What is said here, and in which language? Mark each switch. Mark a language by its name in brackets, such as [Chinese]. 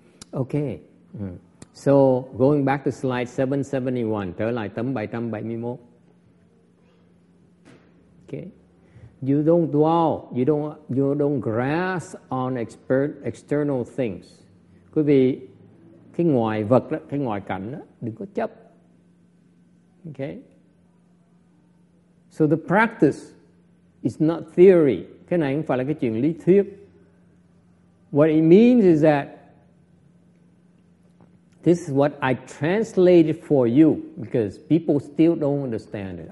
[English] Okay. So, going back to slide 771, [Vietnamese] trở lại tấm 771. [English] Okay? You don't dwell, you don't grasp on external things. [Vietnamese] Quý vị, cái ngoài vật đó, cái ngoài cảnh đó, đừng có chấp. Okay. [English] So the practice is not theory. [Vietnamese] Cái này không phải là cái chuyện lý thuyết. [English] What it means is that this is what I translated for you because people still don't understand it.